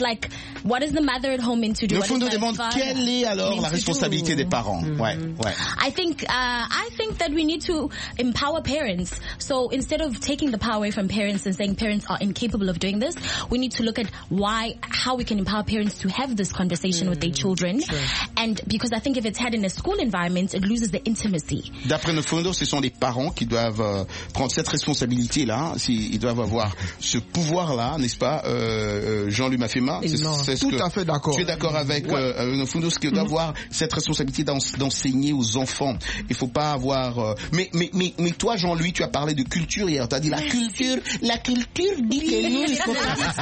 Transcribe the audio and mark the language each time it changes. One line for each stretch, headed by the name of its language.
English: Like, what is the mother at home into doing?
French: Nefundo demande, quelle est alors la responsabilité des parents? Mm-hmm. Ouais.
English: I think that we need to empower parents. So instead of taking the power away from parents and saying parents are incapable of doing this, we need to look at why, how we can empower parents to have this conversation with their children. Sure. And because I think if it's had in a school environment, it loses the intimacy.
French: D'après Nefundo, ce sont les parents qui doivent prendre cette responsabilité-là. Ils doivent avoir ce pouvoir là, n'est-ce pas, Jean-Louis Mafema, c'est tout ce que, à fait d'accord. Tu es d'accord avec Nofundo, ce qui est d'avoir cette responsabilité d'enseigner aux enfants. Il faut pas avoir. Mais toi, Jean-Louis, tu as parlé de culture hier. Tu as dit la culture dit que nous, il faut pas.